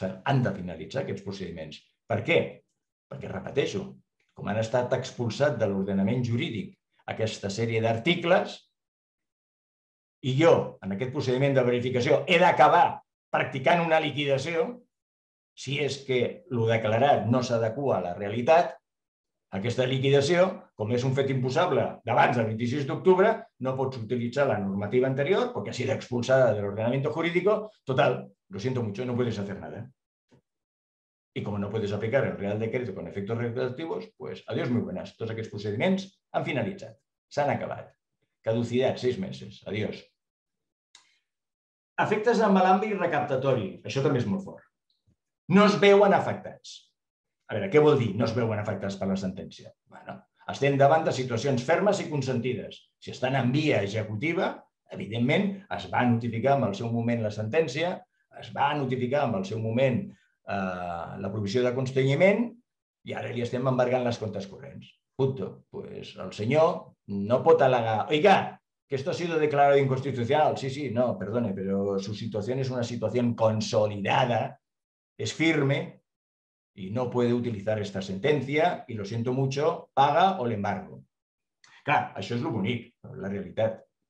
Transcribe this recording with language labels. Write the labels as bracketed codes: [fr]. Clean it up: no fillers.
[ca] Han de finalitzar aquests procediments. Per què? Perquè, repeteixo, com han estat expulsats de l'ordenament jurídic aquesta sèrie d'articles, i jo, en aquest procediment de verificació, he d'acabar practicant una liquidació, si és que el declarat no s'adequa a la realitat, aquesta liquidació, com és un fet imposable d'abans del 26 d'octubre, no pots utilitzar la normativa anterior, perquè [es] ha sido expulsada [ca] de l'ordenament jurídic. [es] Total, lo siento mucho, no puedes hacer nada. Y como no puedes aplicar el Real Decreto con efectos retroactivos, pues adiós, muy buenas. [ca] Tots aquests procediments han finalitzat, s'han acabat. [es] Caducidad, 6 meses. Adiós. [ca] Efectes amb l'àmbit recaptatori. Això també és molt fort. No es veuen afectats. A veure, què vol dir no es veuen afectats per la sentència? Bueno, estem davant de situacions fermes i consentides. Si estan en via executiva, evidentment, es va notificar en el seu moment la sentència, es va notificar en el seu moment la provisió de constrenyiment i ara li estem embargant les comptes corrents. Punto. [es] Pues [ca] el senyor no pot al·legar, [es] oiga, que esto ha sido declarado inconstitucional. Sí, sí, no, perdone, pero su situación es una situación consolidada, es firme y no puede utilizar esta sentencia y lo siento mucho, paga o le embargo. [ca] Claro, això és lo bonic, la realitat.